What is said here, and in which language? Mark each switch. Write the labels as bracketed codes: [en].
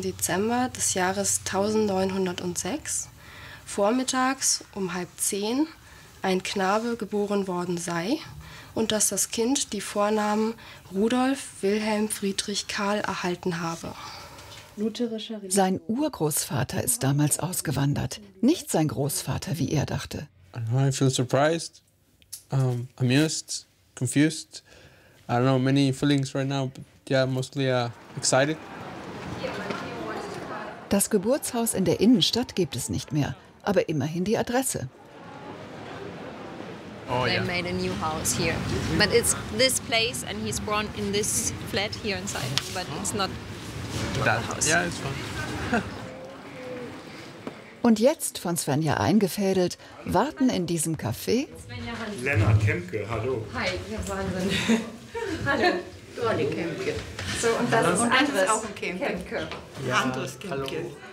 [de] Dezember des Jahres 1906, vormittags um 9:30 Uhr, ein Knabe geboren worden sei. Und dass das Kind die Vornamen Rudolf Wilhelm Friedrich Karl erhalten habe. Sein Urgroßvater ist damals ausgewandert, nicht sein Großvater, wie er dachte. [en] I feel surprised, amused, confused. I don't know many feelings right now, but yeah, mostly excited. Das Geburtshaus in der Innenstadt gibt es nicht mehr, aber immerhin die Adresse. Oh, yeah. They made a new house here, but it's this place, and he's born in this flat here inside. But it's not the house. Yeah, it's fun. [de] Und jetzt von Svenja eingefädelt warten in diesem Café. Lennart Kemke, hallo. Hi, ja, Wahnsinn. Hallo, du hast Kemke. So, und das hallo. Ist Andres auch ein Kemke. Kemke. Ja, Andres Kemke. Hallo.